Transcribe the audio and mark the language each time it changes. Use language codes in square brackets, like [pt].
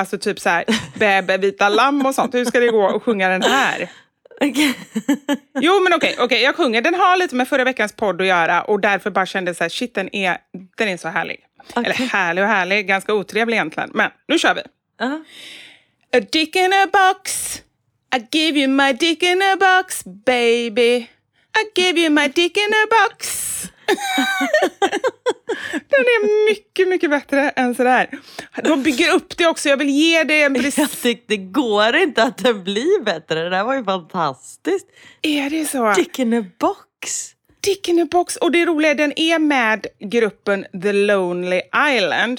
[sv] Alltså typ så här, bebe, vita lamm och sånt. Hur ska det gå att sjunga den här? Okay. Jo, men okej, jag sjunger. Den har lite med förra veckans podd att göra. Och därför bara kände så här, shit, den är så härlig. Okay. Eller härlig och härlig, ganska otrevlig egentligen. Men nu kör vi. Uh-huh. [en] A dick in a box. I give you my dick in a box, baby. I give you my dick in a box. [sv] Den är mycket, mycket bättre än sådär. De bygger upp det också. Jag vill ge dig en [en] bliss. [sv] Jag tycker det går inte att det blir bättre. Det där var ju fantastiskt. Är det så? [en] Dick in a box. Dick in a box. [sv] Och det roliga, den är med gruppen The Lonely Island.